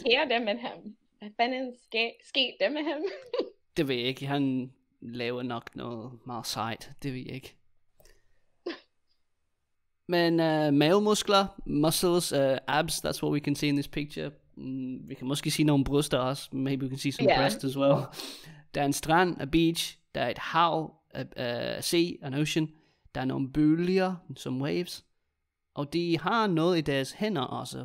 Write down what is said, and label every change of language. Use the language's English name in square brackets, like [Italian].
[Danish] Hvad fanden sker det med ham? Hvad fanden sker det med ham? Det ved jeg ikke. Han laver nok noget meget sejt. Det ved jeg ikke. [English] Men mavemuskler, muscles, abs, that's what we can see in this picture. [Danish] Vi kan måske se nogle bryster også. [English] Maybe we can see some breasts as well. [Danish] Der er en strand, a beach, der er et hav, a sea, an ocean. Der er nogle bølger, some waves. Og de har noget i deres hænder også.